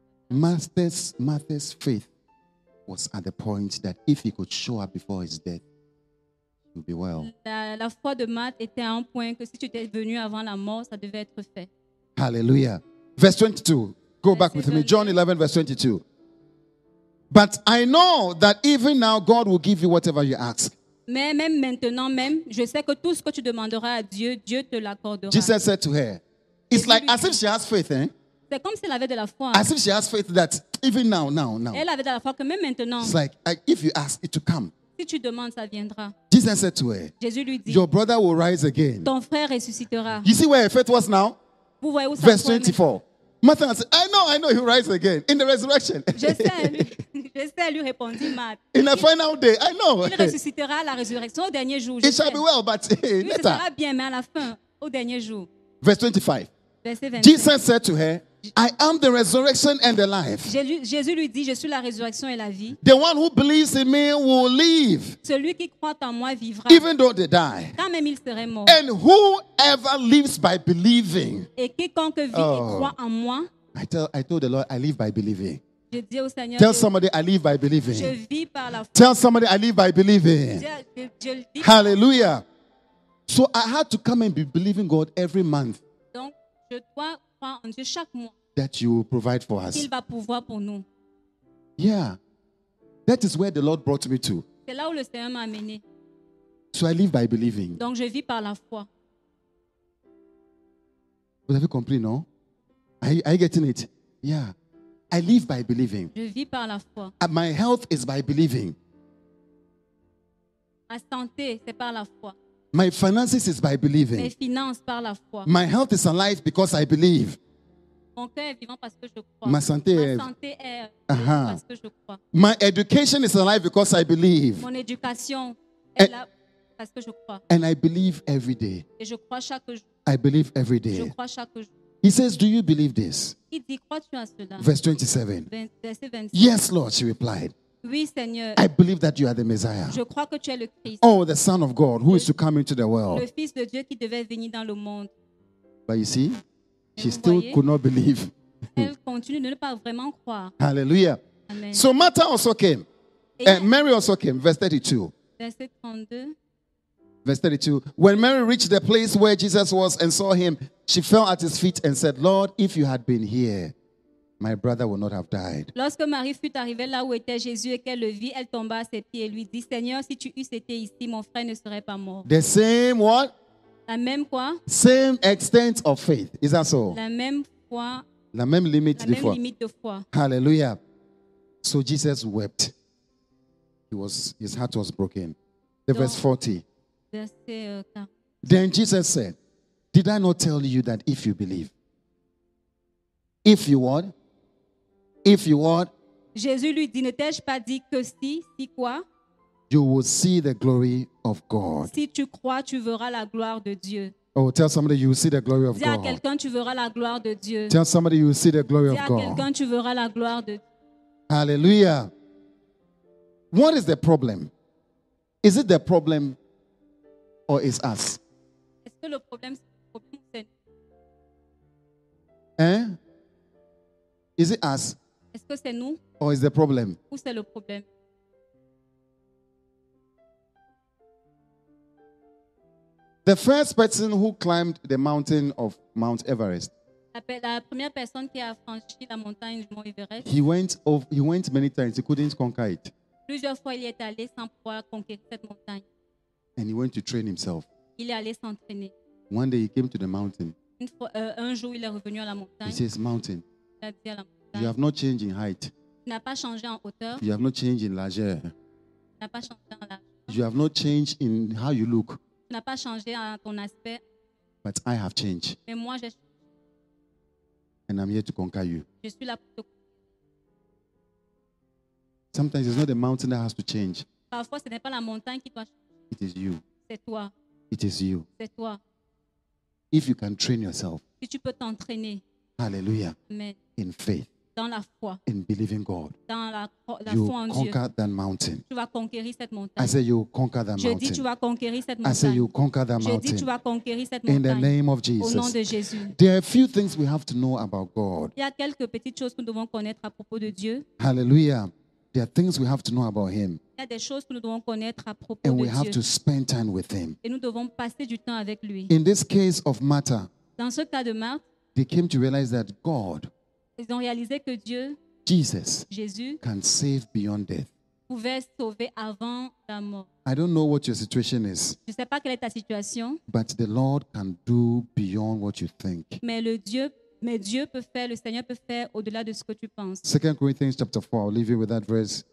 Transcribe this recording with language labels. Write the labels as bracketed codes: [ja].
[en] Martha's faith was at the point that if he could show up before his death, he would be well. [fr] La foi de Marthe était à un point que si tu étais venu avant la mort, ça devait être fait. [en] Hallelujah. Verse 22. Go back with me. John 11, verse 22. But I know that even now God will give you whatever you ask. [fr] Mais même maintenant même, je sais que tout ce que tu demanderas à Dieu, Dieu te l'accordera. [en] Jesus said to her, it's like as if she has faith, eh? [fr] C'est comme si elle avait de la foi. Hein? [en] As if she has faith that even now. [fr] Elle avait de la foi que même maintenant. [en] It's like if you ask, it will come. [fr] Si tu demandes, ça viendra. [en] Jesus said to her, [fr] Jésus lui dit, [en] your brother will rise again. [fr] Ton frère ressuscitera. [en] You see where her faith was now? [fr] Vous voyez où ça [en] verse 24. Martha said, I know he'll rise again in the resurrection. [fr] Je sais, lui répondit Martha. [en] In the final day, I know. [fr] Il ressuscitera à la résurrection au dernier jour. [en] It shall be well, but later. [fr] Il sera bien, mais à la fin, au dernier jour. [en] Verse 25. [fr] Verset 25. [en] Jesus said to her, I am the resurrection and the life. [fr] Jésus lui dit, je suis la résurrection et la vie. [en] The one who believes in me will live. [fr] Celui qui croit en moi vivra. [en] Even though they die. [fr] Quand même il serait mort. [en] And whoever lives by believing. [fr] Et quiconque vit et croit en moi. [en] I told the Lord, I live by believing. [fr] Je dis au Seigneur, [en] tell somebody I live by believing. [fr] Je vis par la foi. [en] Tell somebody I live by believing. [fr] Je [en] hallelujah. So I had to come and be believing God every month. [fr] Donc je dois [en] that you will provide for us. [fr] Il va pouvoir pour nous. [en] Yeah. That is where the Lord brought me to. [fr] C'est là où le Seigneur m'a amené. [en] So I live by believing. [fr] Donc je vis par la foi. Vous avez compris, non? [en] Are you getting it? Yeah. I live by believing. [fr] Je vis par la foi. [en] And my health is by believing. [fr] Ma santé, c'est par la foi. [en] My finances is by believing. [fr] Mes finances par la foi. [en] My health is alive because I believe. [fr] Mon cœur est vivant parce que je crois. Ma santé est parce que je crois. [en] My education is alive because I believe. [fr] Mon éducation est là parce que je crois. [en] And I believe every day. [fr] Et je crois chaque jour. [en] I believe every day. [fr] Je crois chaque jour. [en] He says, do you believe this? [fr] Il dit, crois-tu en cela? [en] Verse 27. [fr] Verset 27. [en] Yes, Lord, she replied. [fr] Oui, Seigneur. [en] I believe that you are the Messiah. [fr] Je crois que tu es le Christ. [en] Oh, the Son of God, who is to come into the world. [fr] Le Fils de Dieu qui devait venir dans le monde. [en] But you see, she still could not believe. [fr] Elle continue de ne pas vraiment croire. [en] Hallelujah. Amen. So Martha also came. Mary also came. Verse 32. [fr] Verset 32. [en] Verse 32. When Mary reached the place where Jesus was and saw him, she fell at his feet and said, Lord, if you had been here, my brother would not have died. [fr] Lorsque Marie fut arrivée là où était Jésus et qu'elle le vit, elle tomba à ses pieds et lui dit, Seigneur, si tu eusses été ici, mon frère ne serait pas mort. [en] The same what? [fr] La même quoi? [en] Same extent of faith. Is that so? [fr] La même foi. La même limite, la même limite de foi. [en] Hallelujah. So Jesus wept. His heart was broken. Verse 40. [fr] Verset 40. [en] Then Jesus said, did I not tell you that if you believe, If you would, [fr] Jésus lui dit, ne t'ai-je pas dit que si quoi? [en] You will see the glory of God. [fr] Si tu crois, tu verras la gloire de Dieu. [en] Oh, tell somebody you will see the glory of God. [fr] Dis à quelqu'un, tu verras la gloire de Dieu. [en] Tell somebody you will see the glory of God. [fr] Dis à quelqu'un, tu verras la gloire de Dieu. [en] Hallelujah. What is the problem? Is it the problem or is us? [fr] Est-ce que le problème c'est le problème c'est nous? [en] Hein? Is it us? [fr] Est-ce que c'est nous? [en] Or is the problem? [fr] Où c'est le problème? [en] The first person who climbed the mountain of Mount Everest. [fr] La La première personne qui a franchi la montagne du Mont Everest. [en] He went many times. He couldn't conquer it. [fr] Plusieurs fois il est allé sans pouvoir conquérir cette montagne. [en] And he went to train himself. [fr] Il est allé s'entraîner. [en] One day he came to the mountain. [fr] Un jour il est revenu à la montagne. [en] He says, mountain. [fr] Il a dit à la montagne. [en] You have not changed in height. [fr] Tu n'as pas changé en hauteur. [en] You have not changed in largeur. [fr] Tu n'as pas changé en largeur. [en] You have not changed in how you look. [fr] Tu n'as pas changé en ton aspect. [en] But I have changed. [fr] Mais moi j'ai changé. [en] And I'm here to conquer you. [fr] Je suis là pour te conquérir. [en] Sometimes it's not the mountain that has to change. [fr] Parfois ce n'est pas la montagne qui doit changer. [en] It is you. [fr] C'est toi. [en] It is you. [fr] C'est toi. [en] If you can train yourself. [fr] Si tu peux t'entraîner. [en] Hallelujah. Amen. In faith. [fr] Dans la foi. [en] In believing God. [fr] Dans la [en] you [fr] foi en [en] conquer [fr] Dieu. [en] That mountain. [fr] Tu vas conquérir cette montagne. [en] I say you conquer that mountain. [fr] Je dis tu vas conquérir cette montagne. [en] I say you conquer that mountain. [fr] Je dis tu vas conquérir cette montagne. [en] In the name of Jesus. [fr] Au nom de Jésus. [en] There are a few things we have to know about God. [fr] Il y a quelques petites choses que nous devons connaître à propos de Dieu. [en] Hallelujah. There are things we have to know about him. [fr] Il y a des choses que nous devons connaître à propos de Dieu. [en] we have to spend time with him. [fr] Et nous devons passer du temps avec lui. [en] In this case of Martha. [fr] Dans ce cas de Marthe. [en] They came to realize that God. [fr] Ils ont réalisé que Dieu, [en] Jesus, [fr] Jésus, [en] can save beyond death. [fr] Pouvait sauver avant la mort. [en] I don't know what your situation is. [fr] Je sais pas quelle est ta situation. [en] But the Lord can do beyond what you think. [fr] Mais Dieu peut faire, le Seigneur peut faire au-delà de ce que tu penses. [en] 2 Corinthians chapter 4, I'll leave you with that verse.